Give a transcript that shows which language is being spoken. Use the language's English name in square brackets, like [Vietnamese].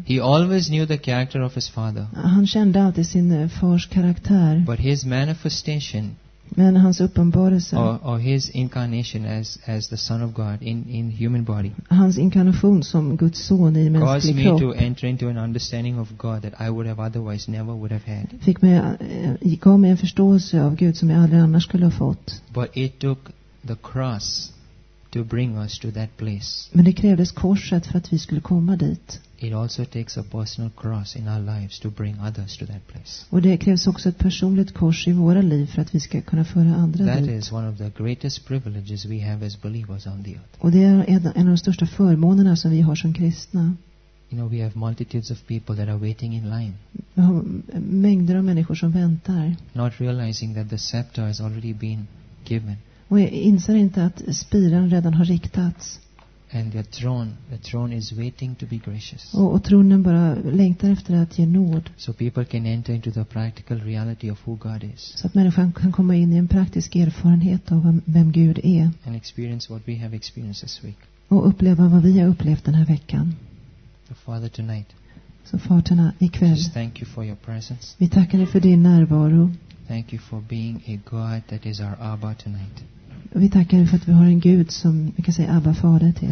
[English] He always knew the character of his father. [Swedish] Han kände alltid sin fars karaktär. [English] But his manifestation. [Swedish] Men hans uppenbarelse. [English] Or his incarnation as the son of God in human body. [Swedish] Hans inkarnation som Guds son i mänsklig kropp. [English] Caused me to enter into an understanding of God that I would have otherwise never would have had. [Swedish] Fick mig komma en förståelse av Gud som jag aldrig annars skulle ha fått. [English] But it took the cross to bring us to that place. [Swedish] Men det krävdes korset för att vi skulle komma dit. [English] It also takes a personal cross in our lives to bring others to that place. [Swedish] Och det krävs också ett personligt kors i våra liv för att vi ska kunna föra andra [English] that [Swedish] dit. [English] That is one of the greatest privileges we have as believers on the earth. [Swedish] Och det är en av de största förmånerna som vi har som kristna. [English] You know, we have multitudes of people that are waiting in line. [Swedish] Vi har mängder av människor som väntar. [English] Not realizing that the scepter has already been given. [Swedish] Och jag inser inte att spiran redan har riktats. [English] And the throne is waiting to be gracious. [Swedish] Och tronen bara längtar efter att ge nåd. [English] So people can enter into the practical reality of who God is. [Swedish] Så att människan kan komma in i en praktisk erfarenhet av vem Gud är. [English] And experience what we have experienced this week. [Swedish] Och uppleva vad vi har upplevt den här veckan. [English] The Father tonight. [Swedish] Så Faderna ikväll. [English] Just thank you for your presence. [Swedish] Vi tackar dig för din närvaro. [English] Thank you for being a God that is our Abba tonight. [Swedish] Vi tackar för att vi har en Gud som vi kan säga Abba Fader till.